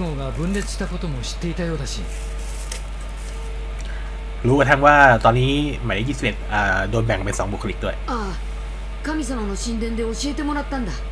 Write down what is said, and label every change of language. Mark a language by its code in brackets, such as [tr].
[ja] 号が分裂したことも知っていたようだし [th] รู้กระทั่งว่าตอนนี้หมายเลข21โดนแบ่งเป็น2บุคลิกด้วย [ja] คือ神様の神殿で教えてもらったんだ